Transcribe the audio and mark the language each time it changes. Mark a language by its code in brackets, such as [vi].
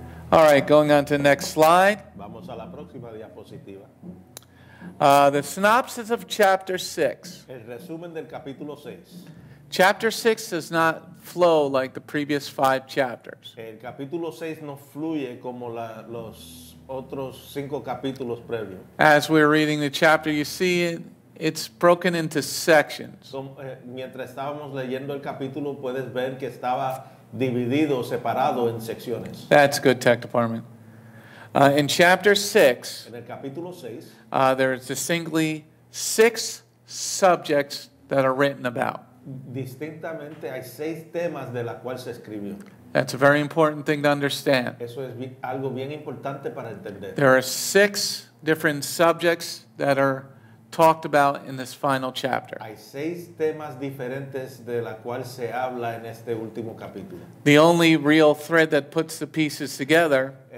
[en] All right, going on to the next slide. [es] Vamos a la próxima diapositiva. [en] The synopsis of chapter 6. [es] El resumen del capítulo 6. [en] Chapter 6 does not flow like the previous 5 chapters. [es] El capítulo 6 no fluye como los otros 5 capítulos previos. [en] As we're reading the chapter, you see it. It's broken into sections. [es] Mientras estábamos leyendo el capítulo, puedes ver que estaba dividido, separado en secciones. [en] That's good, tech department. In chapter 6, [es] en el capítulo 6, [en] there are distinctly 6 subjects that are written about. [es] Distintamente hay 6 temas de la cual se escribió. [en] That's a very important thing to understand. [es] Eso es algo bien importante para entender. [en] There are 6 different subjects that are talked about in this final chapter. [es] Hay 6 temas diferentes de la cual se habla en este último capítulo. [en] The only real thread that puts the pieces together.